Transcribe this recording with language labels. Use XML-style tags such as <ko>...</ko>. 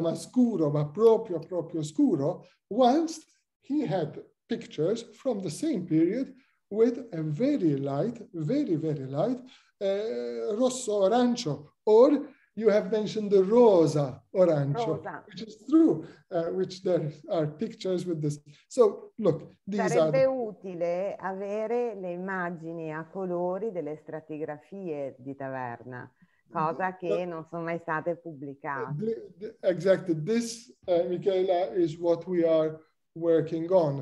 <it>ma scuro, ma proprio, proprio scuro,</it> <en>whilst he had pictures from the same period with a very light, very, very light, rosso arancio, or you have mentioned the rosa arancio, which is true, which there are pictures with this. So look, these</en> <it>sarebbe</it> <en>are...</en> <it>Sarebbe utile avere le immagini a colori delle stratigrafie di Taverna, cosa che non sono mai state pubblicate.</it> <en>Exactly. This, Michaela, is what we are working on.</en>